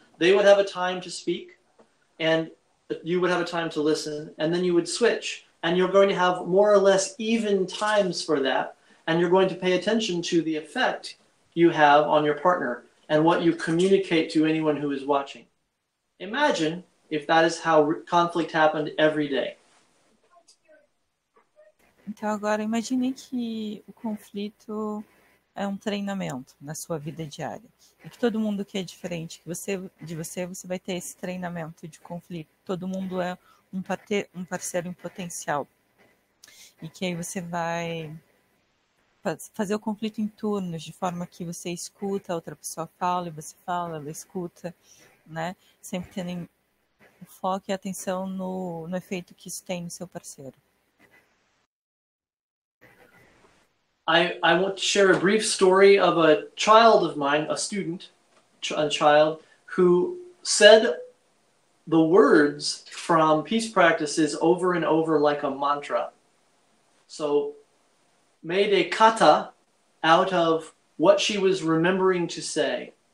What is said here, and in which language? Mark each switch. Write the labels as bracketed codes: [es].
[en] They would have a time to speak, and you would have a time to listen, and then you would switch, and you're going to have more or less even times for that. And you're going to pay attention to the effect you have on your partner and what you communicate to anyone who is watching. Imagine if that is how conflict happened every day. [pt] Então agora imagine que o conflito é treinamento na sua vida diária. E que todo mundo que é diferente de você vai ter esse treinamento de conflito. Todo mundo é parceiro em potencial. E que aí você vai fazer o conflito em turnos, de forma que você escuta, a outra pessoa fala, e você fala, ela escuta, né? Sempre tendo o foco e a atenção no efeito que isso tem no seu parceiro. [en] I want to share a brief story of a child of mine, a student, a child, who said the words from peace practices over and over like a mantra. So made a kata out of what she was remembering to say.